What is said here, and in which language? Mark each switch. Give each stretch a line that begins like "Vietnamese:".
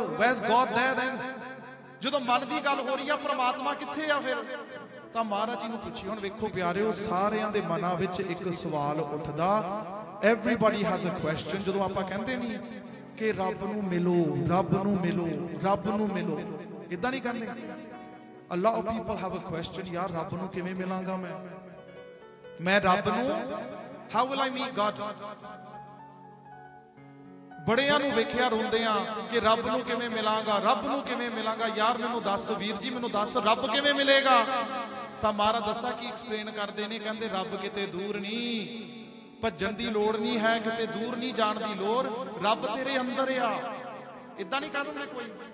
English: Was God there then.
Punjabi: ਜਦੋਂ ਮਨ ਦੀ ਗੱਲ ਹੋ ਰਹੀ ਆ ਪਰਮਾਤਮਾ ਕਿੱਥੇ ਆ ਫਿਰ? ਤਾਂ ਮਹਾਰਾਜ ਜੀ ਨੂੰ ਪੁੱਛੀ। ਹੁਣ ਵੇਖੋ ਪਿਆਰਿਓ, ਸਾਰਿਆਂ ਦੇ ਮਨਾਂ ਵਿੱਚ ਇੱਕ ਸਵਾਲ ਉੱਠਦਾ,
English: Everybody has a question.
Punjabi: ਜਦੋਂ ਆਪਾਂ ਕਹਿੰਦੇ ਨੀ ਕਿ ਰੱਬ ਨੂੰ ਮਿਲੋ, ਰੱਬ ਨੂੰ ਮਿਲੋ, ਰੱਬ ਨੂੰ ਮਿਲੋ, ਇੱਦਾਂ ਨੀ ਕਹਿੰਦੇ?
English: A lot of people have a question,
Punjabi: yaar rab nu kive milanga main rab nu,
English: how will I meet god?
Punjabi: ਬੜਿਆਂ ਨੂੰ ਵੇਖਿਆ ਰੋਂਦਿਆਂ ਕਿ ਰੱਬ ਨੂੰ ਕਿਵੇਂ ਮਿਲਾਂਗਾ, ਰੱਬ ਨੂੰ ਕਿਵੇਂ ਮਿਲਾਂਗਾ। ਯਾਰ ਮੈਨੂੰ ਦੱਸ ਵੀਰ ਜੀ, ਮੈਨੂੰ ਦੱਸ ਰੱਬ ਕਿਵੇਂ ਮਿਲੇਗਾ? ਤਾਂ ਮਹਾਰਾਜ ਦੱਸਾਂ ਕੀ ਐਕਸਪਲੇਨ ਕਰਦੇ ਨੇ, ਕਹਿੰਦੇ ਰੱਬ ਕਿਤੇ ਦੂਰ ਨਹੀਂ, ਭੱਜਣ ਦੀ ਲੋੜ ਨਹੀਂ ਹੈ, ਕਿਤੇ ਦੂਰ ਨਹੀਂ ਜਾਣ ਦੀ ਲੋੜ, ਰੱਬ ਤੇਰੇ ਅੰਦਰ ਆ। ਇੱਦਾਂ ਨੀ ਕਹਿੰਦੇ ਕੋਈ?